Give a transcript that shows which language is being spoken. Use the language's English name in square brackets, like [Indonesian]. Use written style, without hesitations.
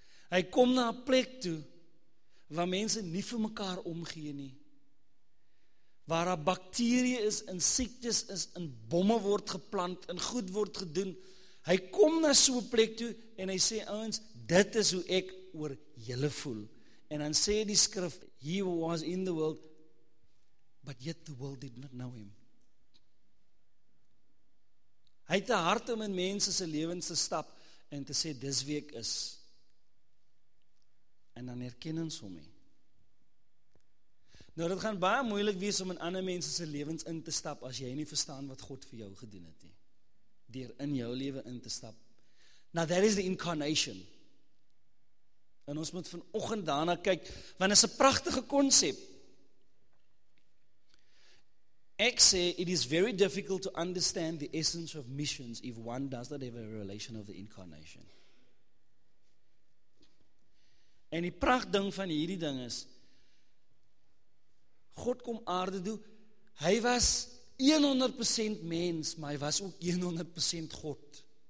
[Afrikaans] Hy kom na 'n plek toe waar mense nie vir mekaar omgee nie. Waar daar bakterie is en siektes is en bomme word geplant en goed word gedoen. Hy kom na so 'n plek toe en hy sê, ouens, dit is hoe ek oor julle voel. En dan sê die skrif, [English] he was in the world, but yet the world did not know him. [Afrikaans] Hy het 'n hart om in mense se lewens te stap en te sê, dis wie ek is. En dan herken ons hom nie. Nou, dit gaan baie moeilik wees om in ander mense se lewens in te stap as jy nie verstaan wat God vir jou gedoen het nie. Deur in jou lewe in te stap. [English] Now, that is the incarnation. [Afrikaans] En ons moet vanoggend daarna kyk, want dit is 'n pragtige konsep. Ek sê, [English] it is very difficult to understand the essence of missions if one does not have a relation of the incarnation. [Afrikaans] En die pragtding van hierdie ding is, God kom aarde toe, hy was 100% mens, maar hy was ook 100% God.